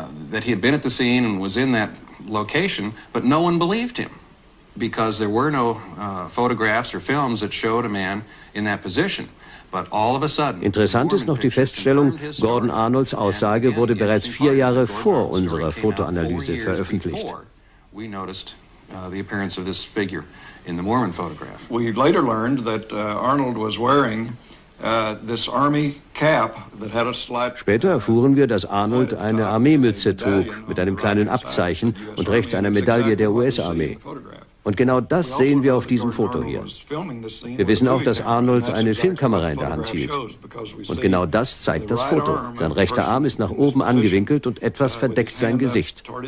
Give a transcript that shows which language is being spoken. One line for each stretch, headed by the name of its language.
English: That he had been at the scene and was in that location, but no one believed him because there were no photographs or films that showed a man in that position. But all of a sudden,
German: interessant ist noch die Feststellung, Gordon Arnolds Aussage wurde bereits 4 Jahre vor unserer Fotoanalyse veröffentlicht.
English: We noticed the appearance of this figure in the Mormon photograph. We later learned that Arnold was wearing this army cap that had a slouch.
German: Später erfuhren wir, dass Arnold eine Armeemütze trug mit einem kleinen Abzeichen und rechts einer Medaille der US-Armee. Und genau das sehen wir auf diesem Foto hier. Wir wissen auch, dass Arnold eine Filmkamera in der Hand hielt. Und genau das zeigt das Foto. Sein rechter Arm ist nach oben angewinkelt und etwas verdeckt sein Gesicht.